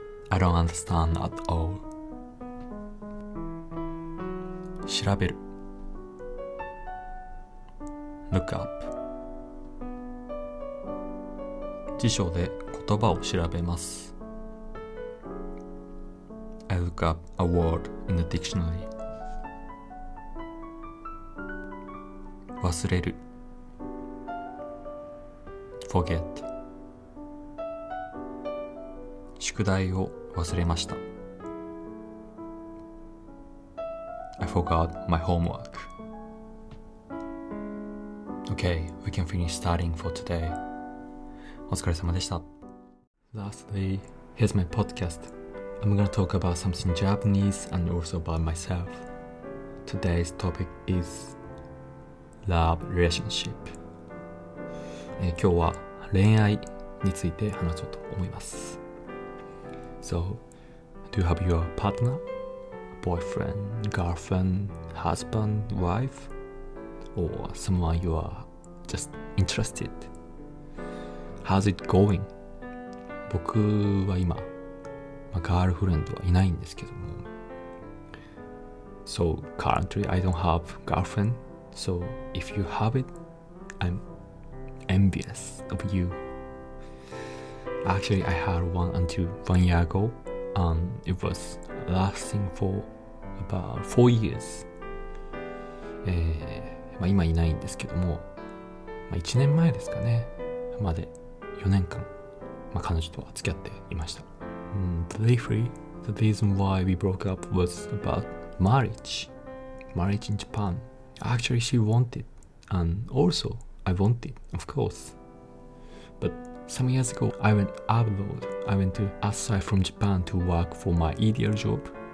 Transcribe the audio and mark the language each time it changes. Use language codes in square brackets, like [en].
[en] I don't understand at all. [ja] 調べる。 [en] Look up. [ja] 辞書で言葉を調べます。 [en] I look up a word in the dictionary. [ja] 忘れる。 [en] Forget. [ja] 宿題を忘れました。 [en] I forgot my homework. Okay, we can finish studying for today. [ja] お疲れ様でした。 [en] Lastly, here's my podcast. I'm gonna talk about something Japanese and also about myself. Today's topic is love relationship. [ja] 今日は恋愛について話そうと思います。 [en] So, do you have your partner, boyfriend, girlfriend, husband, wife, or someone you are just interested? How's it going? [ja] 僕は今、ガールフレンドはいないんですけども。 [en] So, currently I don't have girlfriend, so if you have it, I'm... envious of you. Actually, I had one until 1 year ago, and it was lasting for about 4 years. [ja] 今いないんですけども、1年前ですかね、まで4年間、彼女とは付き合っていました。 [en] Briefly, the reason why we broke up was about marriage in Japan. Actually, she wanted, and also I wanted, of course. But some years ago, I went abroad. I went to outside from Japan to work for my ideal job.